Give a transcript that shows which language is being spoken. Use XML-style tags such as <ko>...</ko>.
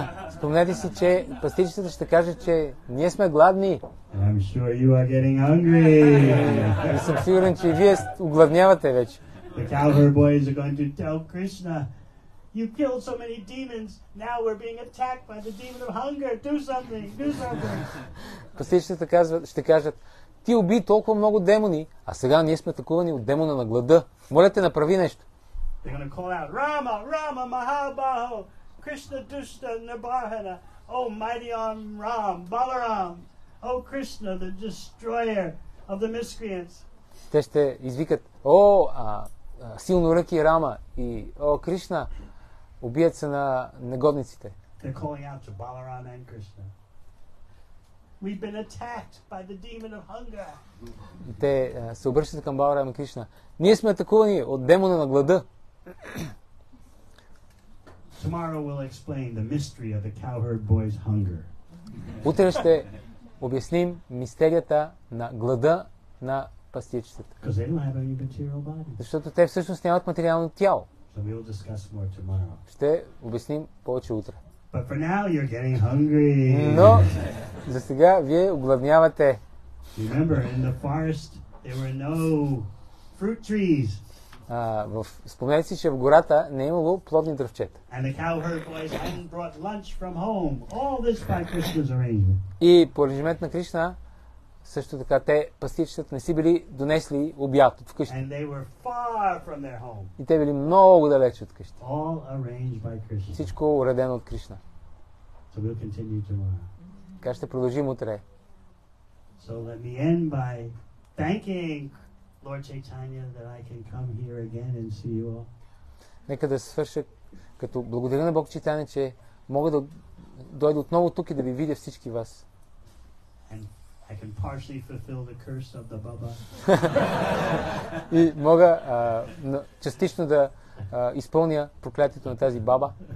<bg>Спомнете си, че пастирчетата ще каже, че ние сме гладни.</bg> <en>And I'm sure you are getting hungry.</en> <bg>И съм сигурен, че вие огладнявате вече.</bg> <en>The cowherd boys are going to tell Krishna, you killed so many demons, now we're being attacked by the demon of hunger. Do something, do something.</en> <bg>Пастирчетата ще кажат, ти уби толкова много демони, а сега ние сме атакувани от демона на глада. Моля те, направи нещо.</bg> <en>They're going to call out, Rama, Rama, Mahabaho, Krishna, Dushta, Nibarhana, O mighty arm, Ram, Balaram, O Krishna, the destroyer of the miscreants.</en> <bg>Те ще извикат, о, силно ръки Рама и о, Кришна, убият се на негодниците.</bg> <en>They're calling out to Balaram and Krishna. We've been attacked by the demon of hunger.</en> <bg>Те се обръщат към Баларама и Кришна. Ние сме атакувани от демона на глада.</bg> <en>Tomorrow we'll explain the mystery of the cowherd boy's hunger.</en> <bg>Утре ще обясним мистерията на глада на пастирчетата.</bg> <en>Because they don't have any material body.</en> <bg>Защото те всъщност нямат материално тяло.</bg> <en>So we'll discuss more tomorrow.</en> <bg>Ще обясним повече утре.</bg> <en>But for now you're getting hungry.</en> <bg>Но за сега вие огладнявате.</bg> <en>Remember in the forest there were no fruit trees.</en> <bg>Спомнете си, че в гората не е имало плодни дръвчета.</bg> <en>And the cowherd boys hadn't brought lunch from home. All this by Krishna's arrangement.</en> <bg>И по аранжимент на Кришна също така те пастирчетата не си били донесли обяд от вкъщи.</bg> <en>And they were far from their home.</en> <bg>И те били много далеч от вкъщи.</bg> <en>All arranged by Krishna.</en> <bg>Всичко уредено от Кришна.</bg> <en>So we'll continue tomorrow.</en> <bg>Така ще продължим утре.</bg> <en>So let me end by thanking Lord Chaitanya that I can come here again and see you all.</en> <bg>Нека да свърша като благодаря на Бог Чайтанья, че мога да дойда отново тук и да ви видя всички вас.</bg> <en>I can partially fulfill the curse of the Baba.</en> <bg>И мога частично да изпълня проклятието на тази баба.</bg>